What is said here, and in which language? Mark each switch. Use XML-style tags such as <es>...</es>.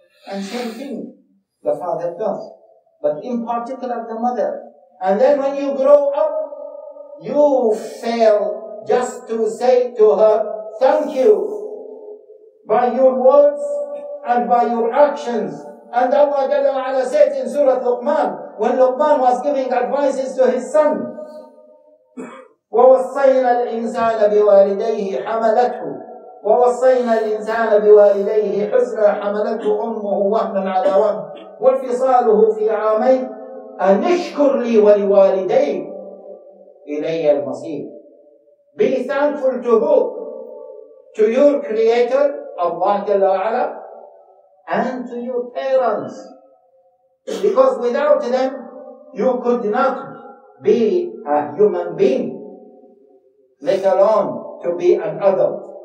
<en>And same thing the father does, but in particular the mother. And then when you grow up, you fail just to say to her, thank you, by your words and by your actions.</en> <ar>And Allah Jalla wa Ala says in Surah Luqman, when Luqman was giving advices to his son, وَوَصَّيْنَا الْإِنسَانَ بِوَالِدَيْهِ حَمَلَتْهُ وَوَصَّيْنَا الْإِنسَانَ بِوَالِدَيْهِ حُسْنًا حَمَلَتْهُ أُمُّهُ وَهْنًا عَلَى وَهْنٍ وَانْفِصَالُهُ فِي عَامَيْنِ أَنِ اشْكُرْ لِي وَلِوَالِدَيْهِ إِلَيَّ الْمَصِيرُ.</ar> <en>Be thankful to who? To your creator, Allah Jalla wa Ala, and to your parents. Because without them, you could not be a human being, let alone to be an adult.</en>